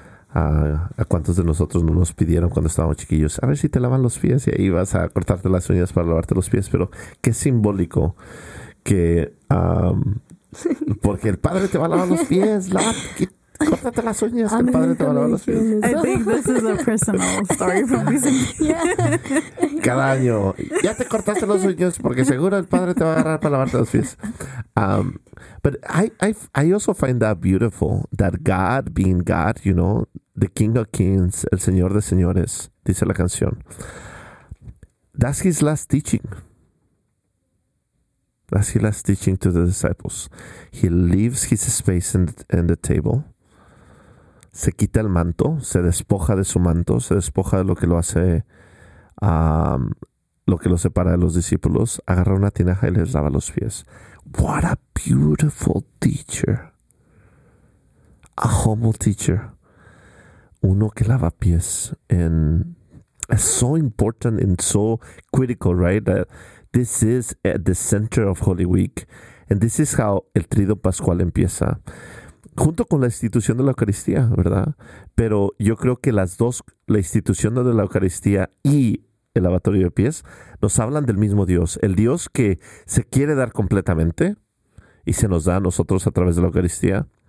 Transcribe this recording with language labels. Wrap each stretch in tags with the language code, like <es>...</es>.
<es>¿A cuántos de nosotros no nos pidieron cuando estábamos chiquillos? A ver si te lavan los pies y ahí vas a cortarte las uñas para lavarte los pies. Pero qué simbólico que porque el padre te va a lavar los pies, córtate las uñas, que el padre te va a lavar los pies.</es> <en>I think this is a personal story from me.</en> <es>Cada año, ya te cortaste los uñas porque seguro el padre te va a agarrar para lavarte los pies.</es> <en>But I also find that beautiful, that God being God, you know, the King of Kings,</en> <es>el Señor de Señores, dice la canción.</es> <en>That's his last teaching. That's his last teaching to the disciples. He leaves his space in the table.</en> <es>Se quita el manto, se despoja de su manto, se despoja de lo que lo hace, lo que lo separa de los discípulos, agarra una tinaja y les lava los pies.</es> <en>What a beautiful teacher. A humble teacher.</en> <es>Uno que lava pies.</es> <en>And it's so important and so critical, right? That this is at the center of Holy Week. And this is how el Trido Pascual empieza.</en> <es>Junto con la institución de la Eucaristía, ¿verdad? Pero yo creo que las dos, la institución de la Eucaristía y el lavatorio de pies, nos hablan del mismo Dios. El Dios que se quiere dar completamente y se nos da a nosotros a través de la Eucaristía.</es>